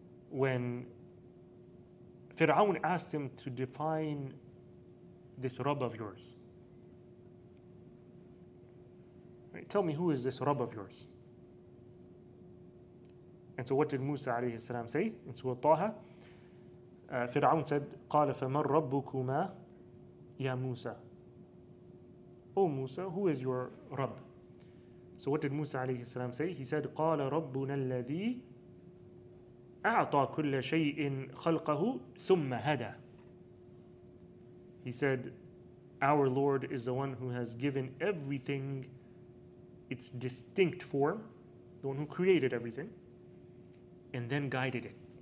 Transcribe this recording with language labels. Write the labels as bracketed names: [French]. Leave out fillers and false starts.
[English] When Fir'aun asked him to define this Rabb of yours, right, tell me, who is this Rabb of yours? And so what did Musa alayhi salam say in Surah Taha? Fir'aun said, [Arabic] قال فمن ربكما يا موسى. [English] Oh Musa, who is your Rabb? So what did Musa alayhi salam say? He said, [Arabic] قال ربنا الذي أعطى كل شيء خلقه ثم هدى. [English] He said, our Lord is the one who has given everything its distinct form, the one who created everything, and then guided it.